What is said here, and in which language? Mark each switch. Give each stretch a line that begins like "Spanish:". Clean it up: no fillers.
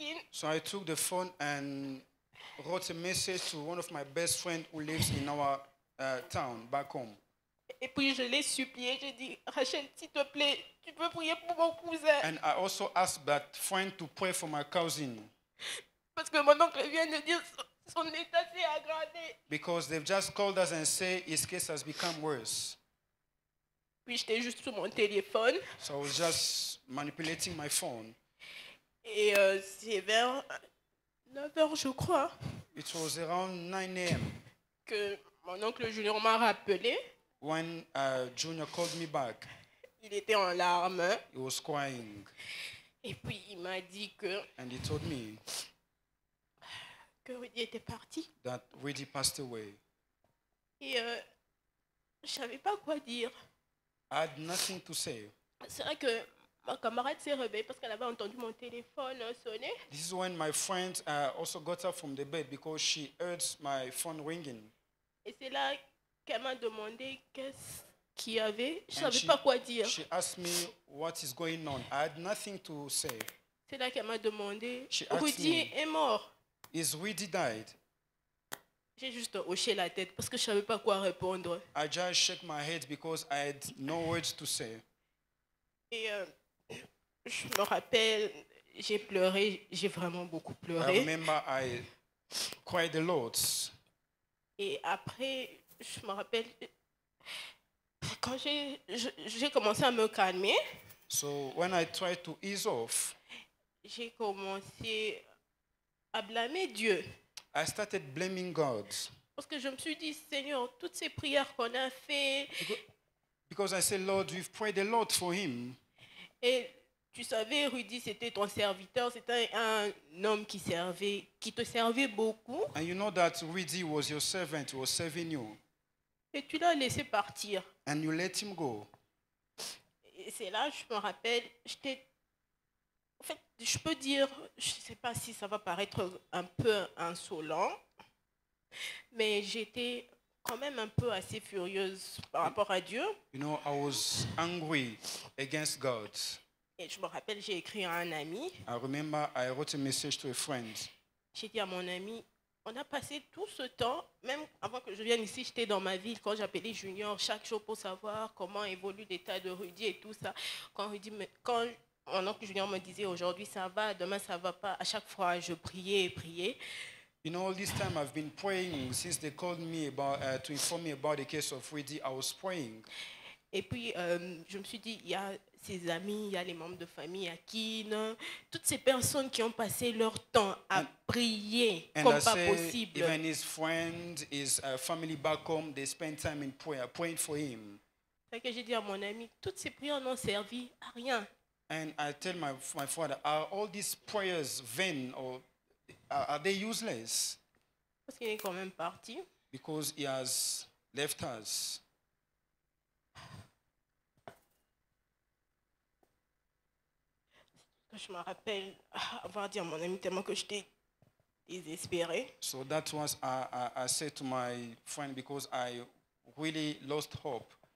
English: So I took the phone and wrote a message to one of my best friends who lives in our town, back home.
French: Et puis je l'ai supplié, je dis, Rachel, s'il te plaît, tu peux prier pour mon cousin.
English: And I also asked that friend to pray for my cousin.
French: Parce que mon oncle vient de dire son état s'est aggravé.
English: Because they've just called us and say his case has become worse.
French: Puis j'étais juste sur mon téléphone.
English: So I was just manipulating my phone.
French: Et c'est vers 9h, je crois.
English: It was around 9 a.m.
French: Que mon oncle Junior m'a rappelé.
English: When Junior called me back.
French: Il était en larmes.
English: He was crying.
French: Et puis il m'a dit que.
English: And he told me.
French: Que Rudy était parti.
English: That Rudy passed away.
French: Et je savais pas quoi dire.
English: I had nothing to say.
French: C'est vrai que ma camarade s'est réveillée parce qu'elle avait entendu mon téléphone sonner.
English: This is when my friend also got up from the bed because she heard my phone ringing.
French: Et c'est là qu'elle m'a demandé qu'est-ce qu'il y avait. Je savais pas quoi dire.
English: She asked me what is going on. I had nothing to say.
French: C'est là qu'elle m'a demandé. Rudy est mort.
English: Is Rudy died?
French: J'ai juste hoché la tête parce que je savais pas quoi répondre.
English: I just shook my head because I had no words to say.
French: Et je me rappelle, j'ai pleuré, j'ai vraiment beaucoup pleuré.
English: I remember I cried a lot.
French: Et après, je me rappelle quand j'ai commencé à me calmer.
English: So when I tried to ease off,
French: j'ai commencé à blâmer Dieu.
English: I started blaming God.
French: Parce que je me suis dit, Seigneur, toutes ces prières qu'on a fait.
English: Because I said, Lord, we've prayed a lot for him.
French: Et tu savais, Rudy, c'était ton serviteur, c'était un homme qui servait, qui te servait beaucoup.
English: And you know that Rudy was your servant, was serving you.
French: Et tu l'as laissé partir.
English: And you let him go.
French: Et c'est là, je me rappelle, j'étais. En fait, je peux dire, je ne sais pas si ça va paraître un peu insolent, mais j'étais quand même un peu assez furieuse par rapport à Dieu.
English: You know, I was angry against God.
French: Et je me rappelle, j'ai écrit à un ami.
English: I remember I wrote a message to a friend.
French: J'ai dit à mon ami, on a passé tout ce temps, même avant que je vienne ici, j'étais dans ma ville, quand j'appelais Junior chaque jour pour savoir comment évolue l'état de Rudy et tout ça. Mon oncle Junior me disait aujourd'hui ça va, demain ça va pas. À chaque fois, je priais et priais.
English: You know, all this time I've been praying since they called me about to inform me about the case of Rudy. I was praying.
French: Et puis je me suis dit, il y a ses amis, il y a les membres de famille, Akin, toutes ces personnes qui ont passé leur temps à prier comme pas possible.
English: Even his friends, his family back home, they spend time in prayer, praying for him.
French: C'est que j'ai dit à mon ami, toutes ces prières n'ont servi à rien.
English: And I tell my father, are all these prayers vain or are they useless?
French: Parce qu'il est quand même parti.
English: Because he has left us.
French: Je me rappelle avoir dit à mon ami tellement que j'étais désespérée.
English: So that was I said to my friend because I really lost hope.